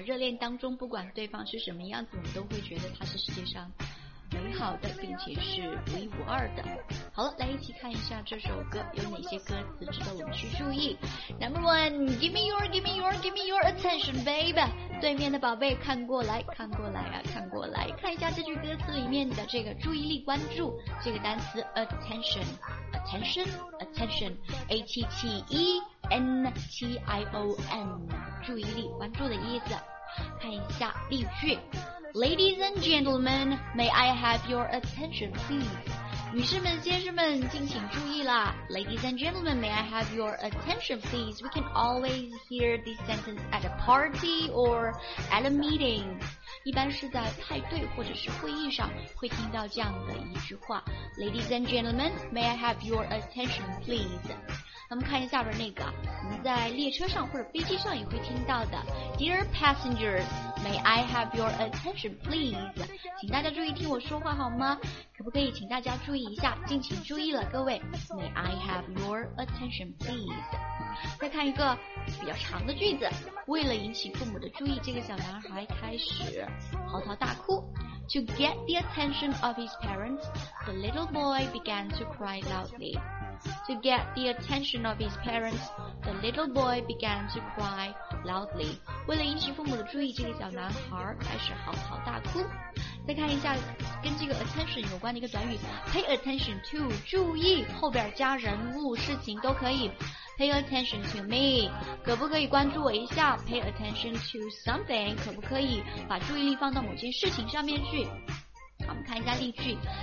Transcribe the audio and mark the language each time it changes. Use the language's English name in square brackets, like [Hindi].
[Chinese] 热恋当中，不管对方是什么样子，我们都会觉得他是世界上美好的，并且是独一无二的。好了，来一起看一下这首歌有哪些歌词值得我们去注意。 [English] Number one, give me your, give me your, give me your attention, baby. [Chinese] 对面的宝贝，看过来，看过来啊，看过来，看一下这句歌词里面的这个注意力、关注这个单词 attention, attention, attention, a t t e n t i o n, 注意力、关注的意思。看一下例句。 [English] Ladies and gentlemen, may I have your attention, please? [Chinese] 女士们、先生们，敬请注意啦。 [English] Ladies and gentlemen, may I have your attention, please? We can always hear this sentence at a party or at a meeting. [Chinese] 一般是在派对或者是会议上会听到这样的一句话。 [English] Ladies and gentlemen, may I have your attention, please? [Chinese] 咱们看一下边那个，我们在列车上或者飞机上也会听到的 [English] Dear passengers, may I have your attention, please? [Chinese] 请大家注意听我说话好吗？可不可以请大家注意一下，敬请注意了各位 [English] May I have your attention, please? [Chinese] 再看一个比较长的句子，为了引起父母的注意，这个小男孩开始嚎啕大哭。 [English] To get the attention of his parents, the little boy began to cry loudly. To get the attention of his parents, the little boy began to cry loudly. [Chinese] 为了引起父母的注意，这个小男孩开始嚎啕大哭。再看一下跟这个 attention 有关的一个短语 [English] pay attention to， [Chinese] 注意后边加人物事情都可以。 [English] Pay attention to me， [Chinese] 可不可以关注我一下？ [English] Pay attention to something， [Chinese] 可不可以把注意力放到某件事情上面去？好，我们看一下例句。